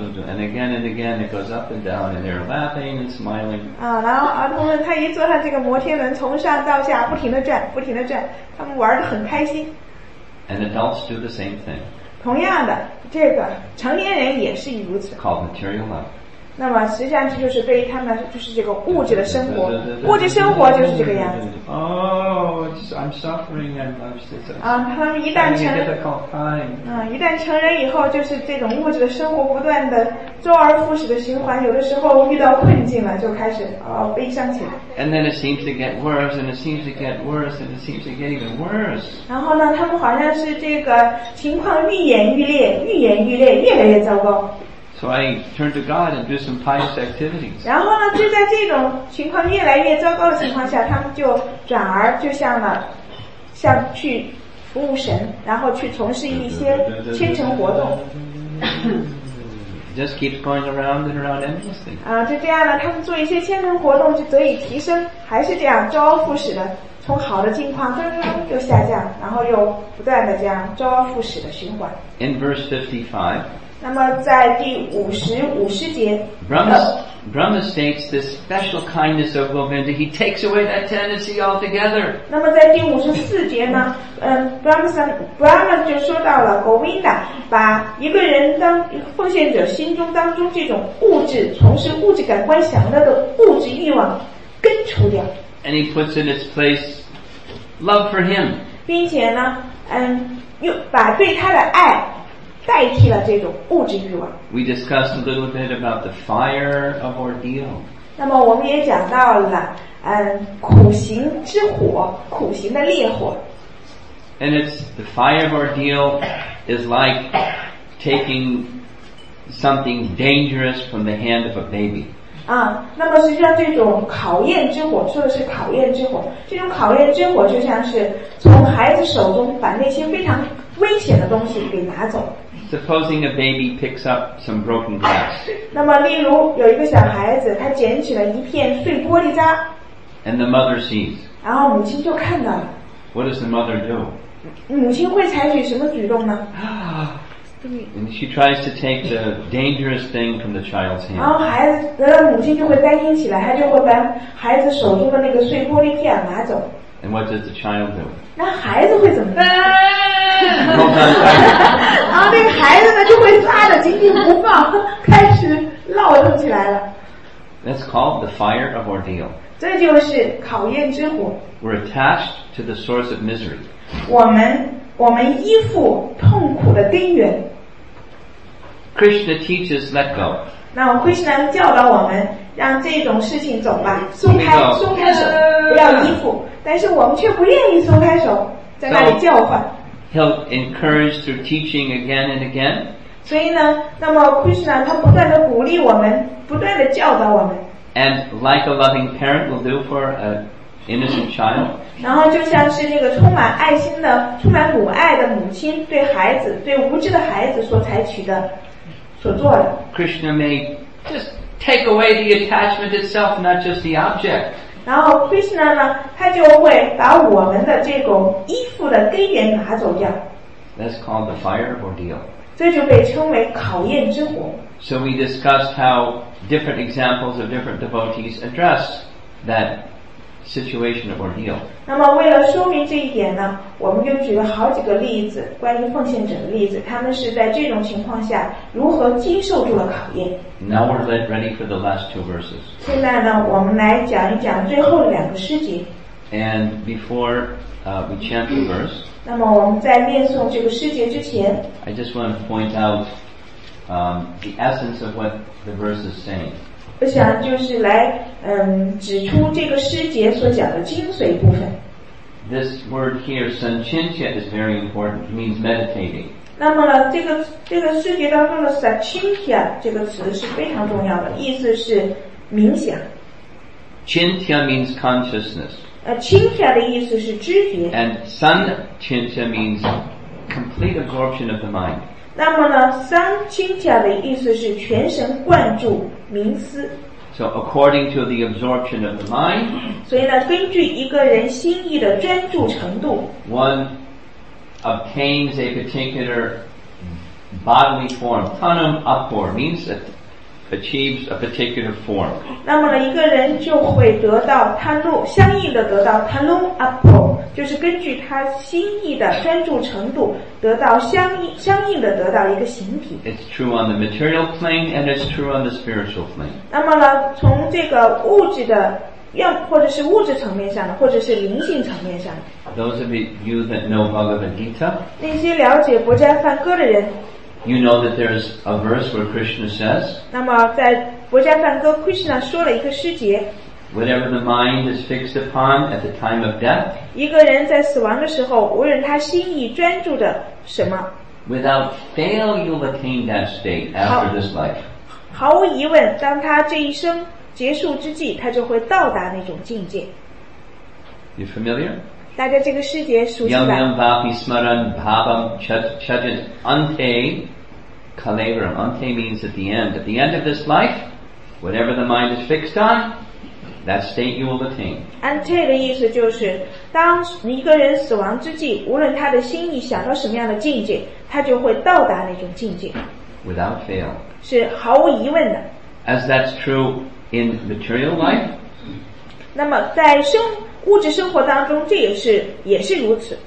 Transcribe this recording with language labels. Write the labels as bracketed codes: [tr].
[en] And again and again, it goes up and down, and they're laughing and smiling. [zh] 啊，然后儿童们他一坐上这个摩天轮，从上到下不停的转，不停的转，他们玩的很开心。 [en] And adults do the same thing. [zh] 同样的，这个成年人也是如此。 [en] Called material life. [zh] 那么实际上这就是对于他们就是这个物质的生活，物质生活就是这个样子。 [en] Oh, I'm suffering. I'm [zh] just. 啊，他们一旦成一旦成人以后，就是这种物质的生活不断的周而复始的循环。有的时候遇到困境了，就开始悲伤起来。 [en] And then it seems to get worse, and it seems to get worse, and it seems to get even worse. [zh] 然后呢，他们好像是这个情况愈演愈烈，愈演愈烈，越来越糟糕。 [en] So I turn to God and do some pious activities. [zh] 然后呢，就在这种情况越来越糟糕的情况下，他们就转而就向了，向去服务神，然后去从事一些虔诚活动。 [en] Just keeps going around and around endlessly. [zh] 就这样呢，他们做一些虔诚活动就得以提升，还是这样周而复始的从好的境况噔噔又下降，然后又不断的这样周而复始的循环。 [en] In verse 55. [zh] 那么在第五十五十节 [en] Brahma states this special kindness of Govinda, he takes away that tendency altogether. [zh] 那么在第五十四节呢Brahma 就说到了 Govinda 把一个人当一个奉献者心中当中这种物质从事物质感官享乐的物质欲望根除掉。 [en] And he puts in its place love for him. [zh] 并且呢又把对他的爱代替了这种物质欲望。 [en] We discussed a little bit about the fire of ordeal. [zh] 那么我们也讲到了苦行之火，苦行的烈火。 [en] And it's the fire of ordeal is like taking something dangerous from the hand of a baby. [zh] 那么实际上这种考验之火，说的是考验之火，这种考验之火就像是从孩子手中把那些非常危险的东西给拿走。 [en] Supposing a baby picks up some broken glass. [zh] 那么例如有一个小孩子他捡起了一片碎玻璃渣。 [en] And the mother sees. [zh] 然后母亲就看到了。 [en] What does the mother do? [zh] 母亲会采取什么举动呢？ [en] And she tries to take the dangerous thing from the child's hand. [zh] 然后孩子得了母亲就会担心起来，他就会把孩子手中的那个碎玻璃片拿走。 [en] And what does the child do? [zh] 那孩子会怎么办？然后那个孩子呢就会抓得紧紧不放，开始闹腾起来了。 [en] That's called the fire of ordeal. [zh] 这就是考验之火。 [en] We're attached to the source of misery. [zh] 我们依附痛苦的根源。 [en] Krishna teaches let go. [zh] 那么 Krishna 教导我们，让这种事情走吧，松开，松开手，不要依附。但是我们却不愿意松开手，在那里叫唤。 [en] He'll encourage through teaching again and again. [zh] 所以呢，那么 Krishna 他不断的鼓励我们，不断的教导我们。 [en] And like a loving parent will do for a innocent child. [zh] 然后就像是那个充满爱心的、充满母爱的母亲对孩子、对无知的孩子所采取的、所做的。 [en] Krishna may just take away the attachment itself, not just the object. [zh] 然后 Krishna 呢，他就会把我们的这种依附的根源拿走掉。 [en] That's called the fire ordeal. [zh] 这就被称为考验之火。 [en] So we discussed how different examples of different devotees address that. Situation of ordeal. [zh] 那么为了说明这一点呢，我们就举了好几个例子，关于奉献者的例子，他们是在这种情况下如何经受住了考验。 [en] Now we're ready for the last two verses. [zh] 现在呢，我们来讲一讲最后两个诗节。 [en] And before we chant the verse, [zh] 那么我们在念诵这个诗节之前 [en] ，I just want to point out the essence of what the verse is saying. [zh] 我想就是来指出这个诗节所讲的精髓部分。 [en] This word here, sanchintya, is very important. It means meditating. [zh] 那么呢，这个诗节当中的 sanchintya 这个词是非常重要的，意思是冥想。 [en] Chintya means consciousness. [zh] Chintya 的意思是知觉。 [en] And sanchintya means complete absorption of the mind. [zh] 那么呢，三清洁的意思是全神贯注、冥思。 [en] So according to the absorption of the mind. [zh] 所以呢，根据一个人心意的专注程度。 [en] One obtains a particular bodily form, tanam upor means it achieves a particular form. [zh] 那么呢，一个人就会得到他路，相应的得到他路 upor。就是根据他心意的专注程度得到相应的得到一个形体。 [en] It's true on the material plane and it's true on the spiritual plane. [zh] 那么呢，从这个物质的要或者是物质层面上的或者是灵性层面上的。 [en] Those of you that know Bhagavad Gita, [zh] 那些了解《薄伽梵歌》的人 [en] you know that there's a verse where Krishna says, [zh] 那么在《薄伽梵歌》Krishna 说了一个诗节 [en] Whatever the mind is fixed upon at the time of death, [zh] 一个人在死亡的时候，无论他心意专注的什么 [en] ，without fail you'll attain that state after this life. [zh] 毫无疑问，当他这一生结束之际，他就会到达那种境界。 [en] You familiar? [zh] 大家这个世界熟悉吧 [sa] ？Yam yam vapi smaran bhavam chajit ante kalevaram. [en] Ante means at the end. At the end of this life, whatever the mind is fixed on. That state you will attain. [zh] Ante 的意思就是，当一个人死亡之际，无论他的心意想到什么样的境界，他就会到达那种境界。 Without fail. 是毫无疑问的。 [en] As that's true in material life. [zh] 那么在物质生活当中，这也是如此。